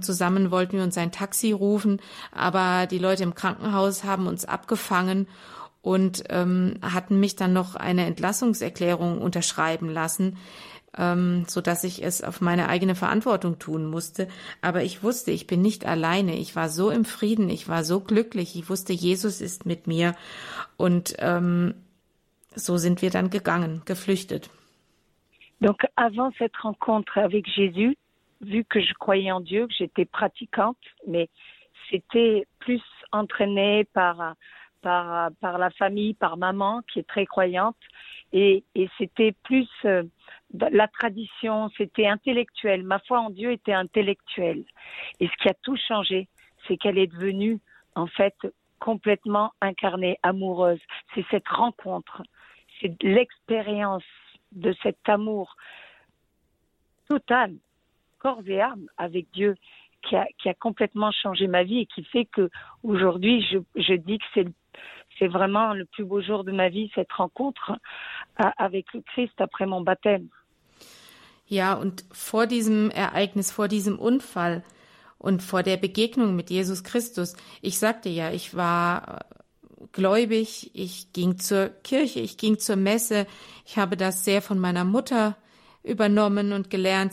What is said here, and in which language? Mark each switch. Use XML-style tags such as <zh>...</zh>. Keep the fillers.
<de>Und zusammen wollten wir uns ein Taxi rufen. Aber die Leute im Krankenhaus haben uns abgefangen und ähm, hatten mich dann noch eine Entlassungserklärung unterschreiben lassen, ähm, so dass ich es auf meine eigene Verantwortung tun musste. Aber ich wusste, ich bin nicht alleine. Ich war so im Frieden, ich war so glücklich. Ich wusste, Jesus ist mit mir. Und ähm, so sind wir dann gegangen, geflüchtet.</de> <fr>Donc avant cette rencontre avec Jésus, vu que je croyais en Dieu, que j'étais pratiquante, mais c'était plus entraîné par, par, par la famille, par maman qui est très croyante, et, et c'était plus euh, la tradition, c'était intellectuel. Ma foi en Dieu était intellectuelle. Et ce qui a tout changé, c'est qu'elle est devenue en fait complètement incarnée, amoureuse. C'est cette rencontre, c'est l'expérience de cet amour total, corps et âme avec Dieu qui a, qui a complètement changé ma vie et qui fait que aujourd'hui je, je dis que c'est le- c'est vraiment le plus beau jour de ma vie cette rencontre avec le Christ après mon baptême.</fr> <de>Ja, und vor diesem Ereignis, vor diesem Unfall und vor der Begegnung mit Jesus Christus, ich sagte ja, ich war gläubig, ich ging zur Kirche, ich ging zur Messe, ich habe das sehr von meiner Mutter übernommen und gelernt.</de>